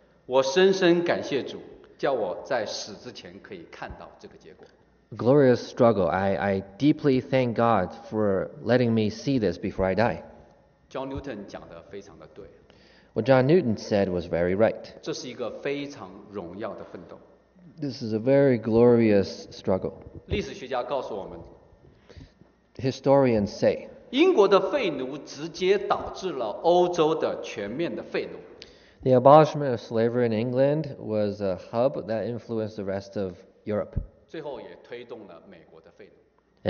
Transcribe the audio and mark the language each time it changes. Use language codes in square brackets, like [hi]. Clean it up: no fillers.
[zh] 我深深感谢主，叫我在死之前可以看到这个结果。 [en] glorious struggle. I deeply thank God for letting me see this before I die. [zh] John Newton 讲得非常的对。 [en] What John Newton said was very right. [zh] 这是一个非常荣耀的奋斗。 [en] This is a very glorious struggle. [zh] 历史学家告诉我们。 [en] Historians say. [zh] 英国的废奴直接导致了欧洲的全面的废奴。 [en] The abolishment of slavery in England was a hub that influenced the rest of Europe. [zh] 最后也推动了美国的废奴。